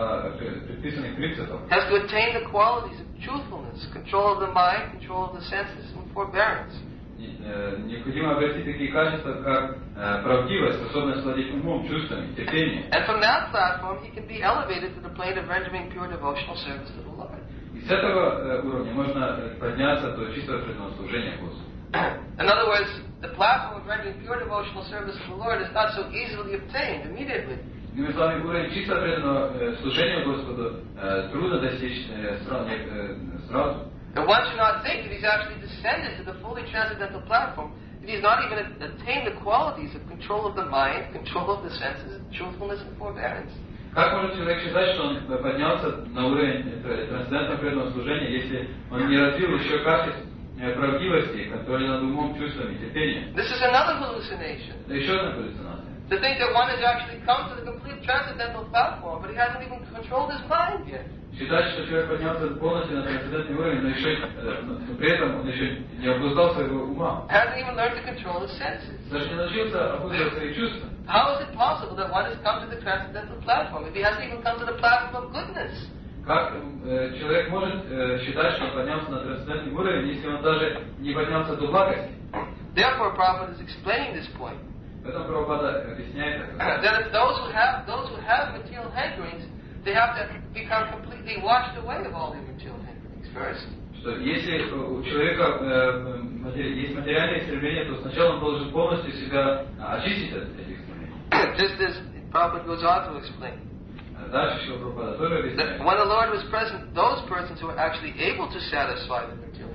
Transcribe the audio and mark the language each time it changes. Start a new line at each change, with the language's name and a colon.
English: Has to attain the qualities of truthfulness, control of the mind, control of the senses, and forbearance.
Russian: Необходимо обрести такие качества, как правдивость, способность владеть умом, чувствами, терпением.
English: And from that platform he can be elevated to the plane of rendering pure devotional service to the Lord.
Russian: И с этого уровня можно подняться до чистого преданного служения Господу.
English: In other words, the platform of rendering pure devotional service to the Lord is not so easily obtained immediately.
Russian: Иными словами, уровень чистого преданного служения Господу трудно достичь сразу.
English: And one should not think that he's actually descended to the fully transcendental platform if he's not even attained the qualities of control of the mind, control of the senses, truthfulness and forbearance.
Russian: Как может человек считать, что он поднялся на уровень трансцендентного преданного служения, если он не развил еще качеств правдивости, контроля над умом, чувствами, терпением?
English: This is another hallucination.
Russian: Это еще одна галлюцинация.
English: To think that one has actually come to the complete transcendental platform, but he hasn't even controlled his mind yet.
Russian: Считать, что человек поднялся полностью на трансцендентный уровень, но еще но при этом он еще не обуздал своего ума.
English: Hasn't even learned to control his senses.
Russian: Даже не научился обуздывать свои чувства.
English: How is it possible that one has come to the transcendental platform if he hasn't even come to the platform of goodness?
Russian: Как человек может считать, что он поднялся на трансцендентный уровень, если он даже не поднялся до благости?
English: Therefore, Prabhupada is explaining this point.
Russian: Поэтому Прабхупада объясняет это.
English: That if those who have material hankerings, they have to become completely washed away of all the material hankerings first.
Russian: что если у человека есть материальные стремления, то сначала он должен полностью себя очистить от этих стремлений.
English: Just as Prabhupada goes on to explain. That when the Lord was present, those persons who were actually able to satisfy the material